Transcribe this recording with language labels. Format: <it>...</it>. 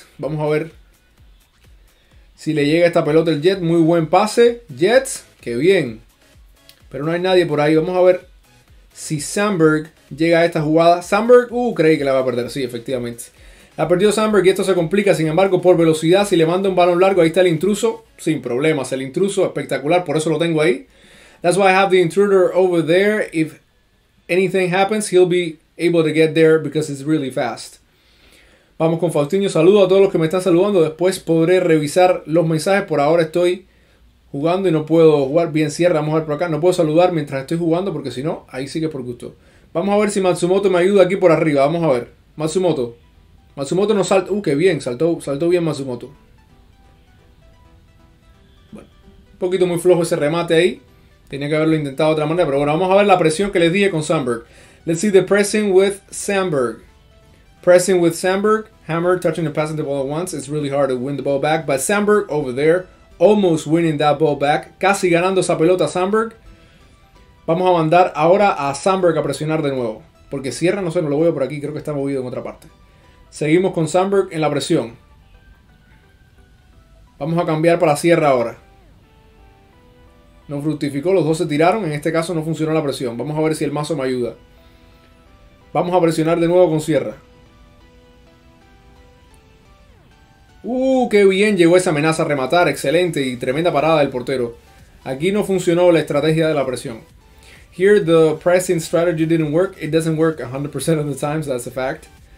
<es>Vamos a ver si le llega esta pelota el Jet. Muy buen pase. Jet, qué bien. Pero no hay nadie por ahí. Vamos a ver si Sandberg llega a esta jugada. Sandberg, creí que la va a perder. Sí, efectivamente. La perdió Sandberg y esto se complica. Sin embargo, por velocidad, si le manda un balón largo, ahí está el intruso. Sin problemas, el intruso espectacular. Por eso lo tengo ahí.</es> <en>That's why I have the intruder over there. If anything happens, he'll be able to get there because it's really fast.</en> <es>Vamos con Faustinho. Saludo a todos los que me están saludando. Después podré revisar los mensajes. Por ahora estoy jugando y no puedo jugar. Bien, cierra. Vamos a ver por acá. No puedo saludar mientras estoy jugando porque si no, ahí sigue por gusto. Vamos a ver si Matsumoto me ayuda aquí por arriba. Vamos a ver. Matsumoto. Matsumoto no salta. Qué bien. Saltó bien Matsumoto. Bueno, un poquito muy flojo ese remate ahí. Tenía que haberlo intentado de otra manera. Pero bueno, vamos a ver la presión que les dije con Sandberg.</es> <en>Let's see the pressing with Sandberg. Pressing with Sandberg. Hammer touching and passing the ball at once. It's really hard to win the ball back. But Sandberg over there. Almost winning that ball back.</en> <es>Casi ganando esa pelota Sandberg. Vamos a mandar ahora a Sandberg a presionar de nuevo. Porque cierra, no sé, no lo veo por aquí. Creo que está movido en otra parte. Seguimos con Sandberg en la presión. Vamos a cambiar para Sierra ahora. No fructificó, los dos se tiraron. En este caso no funcionó la presión. Vamos a ver si el mazo me ayuda. Vamos a presionar de nuevo con Sierra. Qué bien llegó esa amenaza a rematar. Excelente y tremenda parada del portero. Aquí no funcionó la estrategia de la presión.</es> <en>Here the pressing strategy didn't work. It doesn't work 100% of the time, so that's a fact.</en>